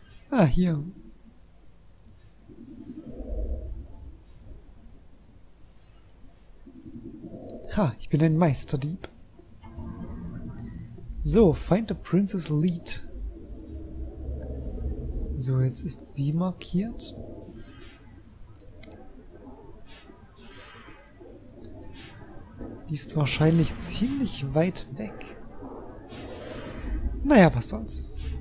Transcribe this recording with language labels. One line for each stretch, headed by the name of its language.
German: Ah, hier. Ha, ich bin ein Meisterdieb.
English: So, find the Princess Lead.
German: So, jetzt ist sie markiert. Die ist wahrscheinlich ziemlich weit weg. Naja, was soll's.